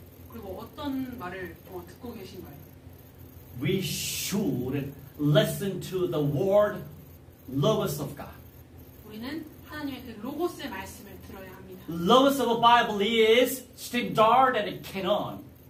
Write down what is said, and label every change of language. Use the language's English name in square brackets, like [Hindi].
[Korean] 그리고 어떤 말을 듣고 계신가요? [English] We should listen to the word logos of God. [Korean] 우리는 하나님의 그 로고스의 말씀을 들어야 합니다. [English] Logos of the Bible is standard and canon.